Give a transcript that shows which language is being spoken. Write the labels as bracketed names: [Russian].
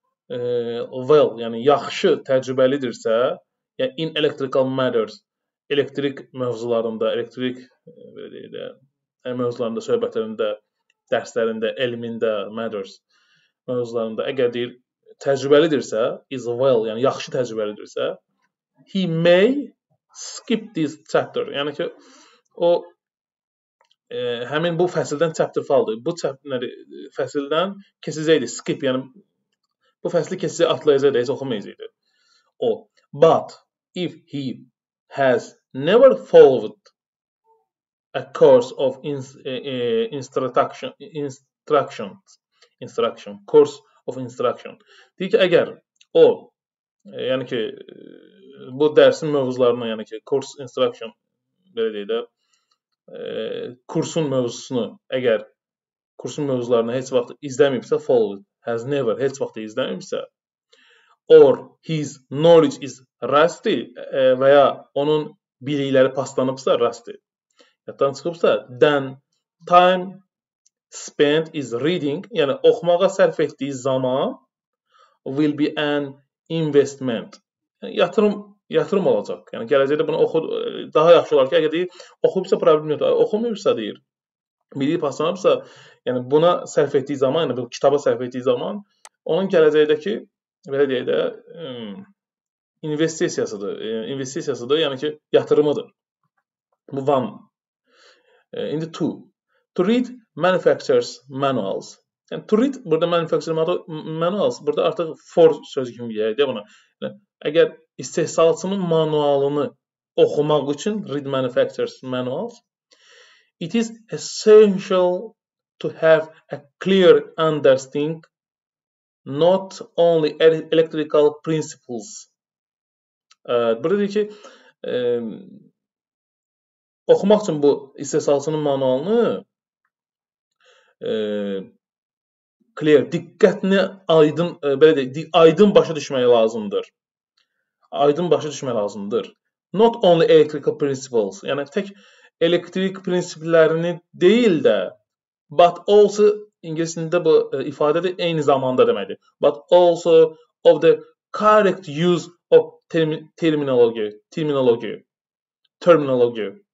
[Azerbaijani] well, yəni yaxşı təcrübəlidirsə, yəni [English] in electrical matters, [Azerbaijani] elektrik mövzularında, elektrik mövzularında, söhbətlərində, dərslərində, elmində, matters mövzularında, əgər deyir, təcrübəlidirsə, [English] is well, [Azerbaijani] yəni yaxşı təcrübəlidirsə, [English] he may skip this chapter, [Azerbaijani] yəni ki, o həmin bu fəsildən chapter faldır, bu fəsildən kesəcəkdir, skip, yəni bu fəsli kesici atlayacaq da heç oxumayacaqdı. [English] O, but if he has never followed a course of instruction. [Azerbaijani] Deyir ki, əgər o, yəni ki, bu dərsin mövzularına, yəni ki, [English] course instruction, [Azerbaijani] belə deyək də, kursun mövzusunu, əgər kursun mövzularına heç vaxt izləməyibsə, followed. [English] Has never, [Azerbaijani] heç vaxt izləmirsə, [English] or his knowledge is rusty [Azerbaijani] və ya onun bilikləri paslanıbsa, [English] rusty, [Azerbaijani] yaddan çıxıbsa, [English] then time spent is reading, [Azerbaijani] yəni oxumağa sərf etdiyi zaman [English] will be an investment. [Azerbaijani] Yəni, yatırım olacaq. Yəni, gələcəkdə bunu oxu, daha yaxşı olar ki, əgər deyir, oxumsa problem yoxdur, oxumuyursa deyir. Bilik paslanıbsa, yəni buna sərf etdiyi zaman, yəni bu kitaba sərf etdiyi zaman onun gələcəkdəki belə deyək də investisiyasıdır. İnvestisiyasıdır, yəni ki, yatırımıdır. Bu one. İndi two. [English] To read manufacturer's manuals. Yəni to read burada manufacturer's manuals. [Azerbaijani] Burada artıq for sözü kimi gəlir deyə buna. Yəni, əgər istehsalçının manualını oxumaq üçün [English] read manufacturer's manuals. It is essential to have a clear understanding not only electrical principles. [Azerbaijani] Burada deyir ki, Oxumaq üçün bu istehsalçının mənalını clear, diqqətini aydın, belə deyək, aydın başa düşmək lazımdır. Aydın başa düşmək lazımdır. [English] Not only electrical principles, [Azerbaijani] yəni tək elektrik prinsiplərini deyil də, [English] but also, [Azerbaijani] ingilisində bu ifadə də eyni zamanda deməkdir. [English] But also of the correct use of terminology.